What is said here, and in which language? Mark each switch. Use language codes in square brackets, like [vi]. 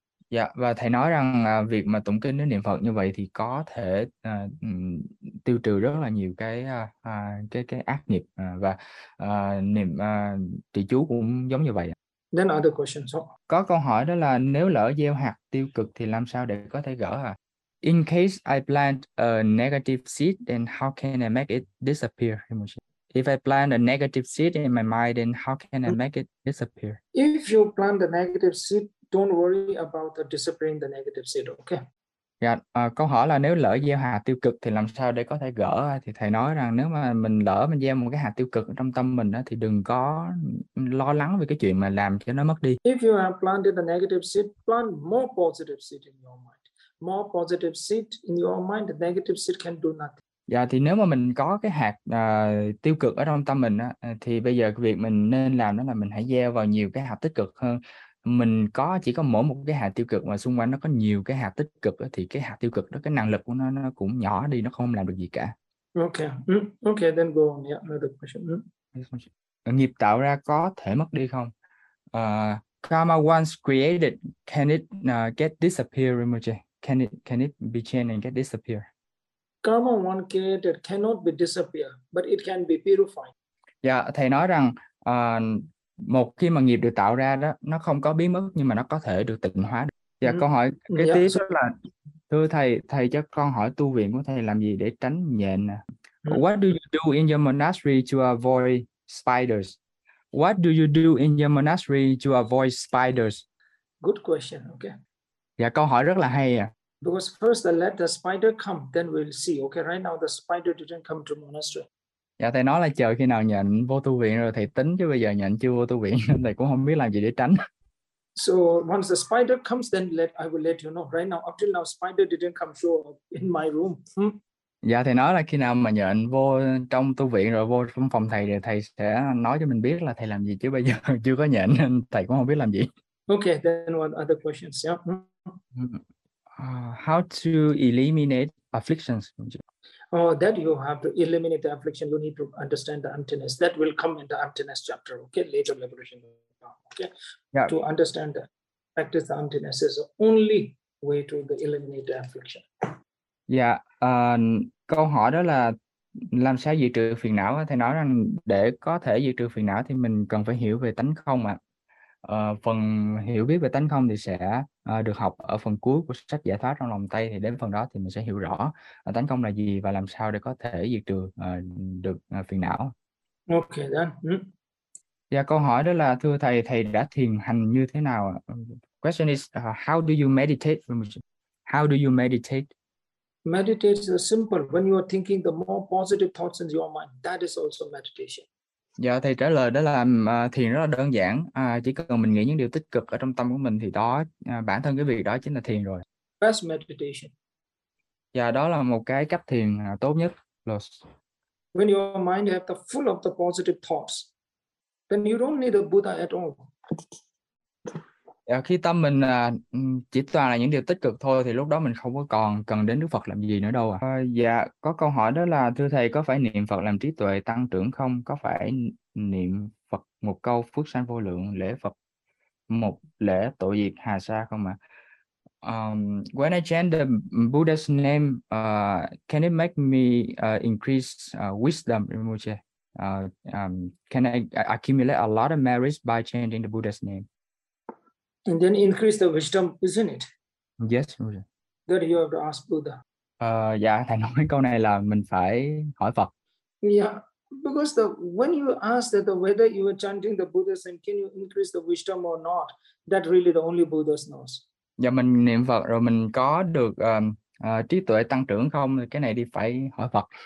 [vi] Dạ, và thầy nói rằng việc mà tụng kinh đến niệm Phật như vậy thì có thể tiêu trừ rất là nhiều cái ác nghiệp và niệm trì chú cũng giống như vậy. [en] Then other questions. [vi] Có câu hỏi đó là nếu lỡ gieo hạt tiêu cực thì làm sao để có thể gỡ à? [en] In case I plant a negative seed, then how can I make it disappear? If I plant a negative seed in my mind, then how can I make it disappear? If you plant a negative seed, don't worry about the disappearing the negative seed, okay? [vi] Yeah, câu hỏi là nếu lỡ gieo hạt tiêu cực thì làm sao để có thể gỡ? Thì thầy nói rằng nếu mà mình lỡ mình gieo một cái hạt tiêu cực trong tâm mình thì đừng có lo lắng về cái chuyện mà làm cho nó mất đi. [en] If you have planted the negative seed, plant more positive seed in your mind. More positive seed in your mind, the negative seed can do nothing. [vi] Dạ, thì nếu mà mình có cái hạt tiêu cực ở trong tâm mình thì bây giờ việc mình nên làm đó là mình hãy gieo vào nhiều cái hạt tích cực hơn. Mình có chỉ có mỗi một cái hạt tiêu cực mà xung quanh nó có nhiều cái hạt tích cực thì cái hạt tiêu cực đó, cái năng lực của nó cũng nhỏ đi, nó không làm được gì cả. [en] Okay, okay, then go on. Yeah, another question. [vi] Nghiệp tạo ra có thể mất đi không? [en] Karma once created, can it get disappear, Rinpoche? Can it be changed and get disappear? Karma once created cannot be disappear, but it can be purified. [vi] Yeah, thầy nói rằng một khi mà nghiệp được tạo ra đó, nó không có biến mất nhưng mà nó có thể được tịnh hóa. Dạ, câu hỏi kế tiếp đó là thưa thầy cho con hỏi tu viện của thầy làm gì để tránh nhện. [en] What do you do in your monastery to avoid spiders? What do you do in your monastery to avoid spiders? Good question, okay. [vi] Dạ, câu hỏi rất là hay à. [en] Because first I let the spider come, then we'll see. Okay, right now the spider didn't come to monastery. [vi] Dạ, thầy nói là chờ khi nào nhận vô tu viện rồi thầy tính, chứ bây giờ nhận chưa vô tu viện, thầy cũng không biết làm gì để tránh. [en] So once the spider comes, then I will let you know. Right now, up till now, spider didn't come through in my room. [vi] Dạ, thầy nói là khi nào mà nhận vô trong tu viện rồi vô trong phòng thầy thì thầy sẽ nói cho mình biết là thầy làm gì, chứ bây giờ chưa có nhận nên thầy cũng không biết làm gì. [en] Okay, then what other questions? Yeah. How to eliminate afflictions? Oh, that you have to eliminate the affliction. You need to understand the emptiness. That will come in the emptiness chapter. Okay, later liberation. Okay, yeah. To understand that, practice the emptiness is the only way to the eliminate the affliction. Yeah. [vi] Câu hỏi đó là làm sao diệt trừ phiền não? Thầy nói rằng để có thể diệt trừ phiền não thì mình cần phải hiểu về tánh không ạ. Phần hiểu biết về tánh không thì sẽ được học ở phần cuối của sách giải thoát trong lòng Tây, thì đến phần đó thì mình sẽ hiểu rõ tánh không là gì và làm sao để có thể diệt trừ được phiền não. [en] Okay then. [vi] Yeah, câu hỏi đó là thưa thầy, thầy đã thiền hành như thế nào? [en] Question is how do you meditate? How do you meditate? Meditate is simple. When you are thinking the more positive thoughts in your mind, that is also meditation. [vi] Dạ, thầy trả lời đó là thiền rất là đơn giản, chỉ cần mình nghĩ những điều tích cực ở trong tâm của mình thì đó, bản thân cái việc đó chính là thiền rồi. [en] Best meditation. [vi] Dạ, đó là một cái cách thiền tốt nhất. [en] When your mind have the full of the positive thoughts, then you don't need a Buddha at all. [vi] Dạ, khi tâm mình chỉ toàn là những điều tích cực thôi thì lúc đó mình không có còn cần đến Đức Phật làm gì nữa đâu ạ. Dạ, có câu hỏi đó là thưa thầy, có phải niệm Phật làm trí tuệ tăng trưởng không? Có phải niệm Phật một câu phước sanh vô lượng, lễ Phật một lễ tội diệt hà sa không ạ? [en] When I chant the Buddha's name, can it make me increase wisdom, Rinpoche? Can I accumulate a lot of merits by chanting the Buddha's name? And then increase the wisdom, isn't it? Yes. That you have to ask Buddha. [vi] Yeah, thầy nói câu này là mình phải hỏi Phật. [en] Yeah, because when you ask that whether you are chanting the Buddha's name, can you increase the wisdom or not? That really the only Buddha knows. [vi] Yeah, mình niệm Phật rồi mình có được trí tuệ tăng trưởng không? Cái này thì phải hỏi Phật.